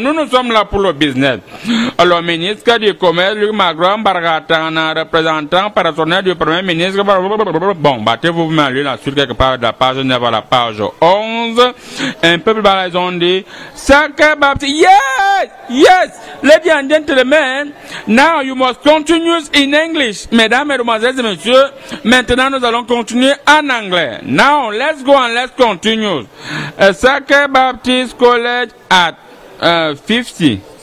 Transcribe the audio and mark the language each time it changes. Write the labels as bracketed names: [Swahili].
[French] Nous sommes là pour le business. Le ministre du Commerce, Luc Magron Bargatana, représentant personnel du Premier ministre. Bon, battez-vous, vous m'avez lu là sur quelque part de la page 9 à la page 11. Un peu plus bas, ils ont dit Saka Baptiste. [English] Yes! Yes! Ladies and gentlemen, now you must continue in English. [French] Mesdames, mesdemoiselles et messieurs, maintenant nous allons continuer en anglais. [English] Now, let's go and let's continue. Saka Baptiste College at 50.